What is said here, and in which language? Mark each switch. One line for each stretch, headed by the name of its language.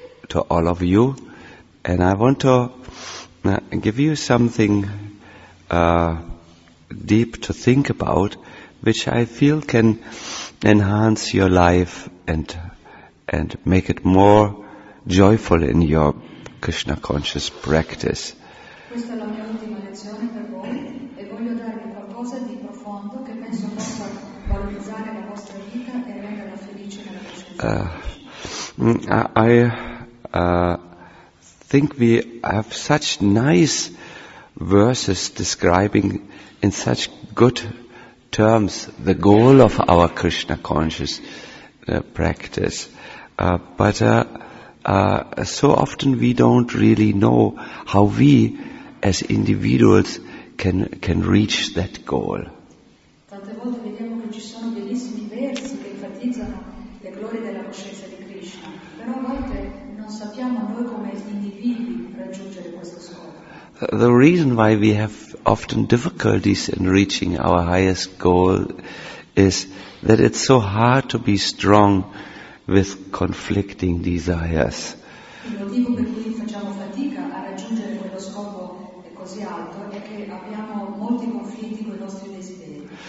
English: to all of you, and I want to give you something deep to think about, which I feel can enhance your life and make it more joyful in your Krishna conscious practice.
Italian: Questa è la mia ultima lezione per voi e voglio darvi qualcosa di profondo che penso possa valorizzare la vostra vita e renderla felice nella vostra vita.
English: I think we have such nice verses describing in such good terms the goal of our Krishna conscious practice. But so often we don't really know how we as individuals can reach that goal.
Italian: Tante volte vediamo che ci sono bellissimi versi che enfatizzano le glorie della coscienza di Krishna, però a volte non sappiamo noi come individui raggiungere questo scopo.
English: The reason why we have often difficulties in reaching our highest goal is that it's so hard to be strong with conflicting desires.
Italian: Il motivo per cui facciamo fatica a raggiungere quello scopo è così alto è che abbiamo molti conflitti con i nostri desideri.